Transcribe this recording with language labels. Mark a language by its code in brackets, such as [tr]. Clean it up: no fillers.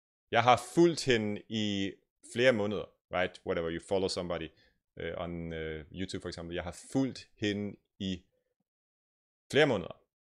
[da] Jeg har fulgt hende i flere måneder, [en] right? Whatever, you follow somebody on YouTube, for example. [da] Jeg har fulgt hende i flere måneder.